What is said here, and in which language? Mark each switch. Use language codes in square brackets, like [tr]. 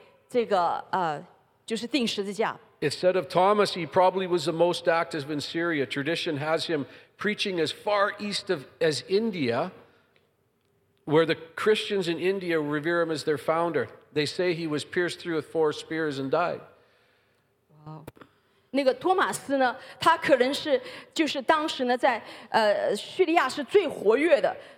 [zh] 那安德烈呢？他就说他当时去到了那个，就是我们现在说的苏联，就是那个是一个吃人的地方。那基督徒那时候就说呢，他是第一个把这个福音带到他们的土地的。他呢当时呢也在就是现在的土耳其，希腊，在那个地方呢，他被这个就是钉十字架。 [en] It said of Thomas, he probably was the most active in Syria. Tradition has him preaching as far east of as India, where the Christians in India revere him as their founder. They say he was pierced through with four spears and died. Wow. [zh] 那个托马斯呢，他可能是就是当时呢在叙利亚是最活跃的。